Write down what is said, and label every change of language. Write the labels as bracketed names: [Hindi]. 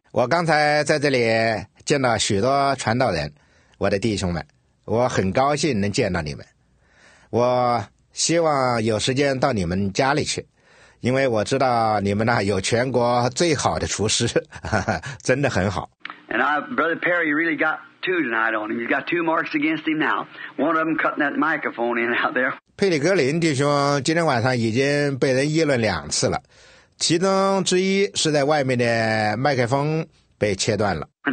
[Chinese] 我刚才在这里见到许多传道人，我的弟兄们，我很高兴能见到你们。我希望有时间到你们家里去，因为我知道你们那有全国最好的厨师，真的很好。 [English] And Brother Perry really got two tonight on him. He's got two marks against him now. One of them cutting that microphone in out there. [Chinese] 佩里格林弟兄今天晚上已经被人议论两次了。其中之一是在外面的麦克风被切断了。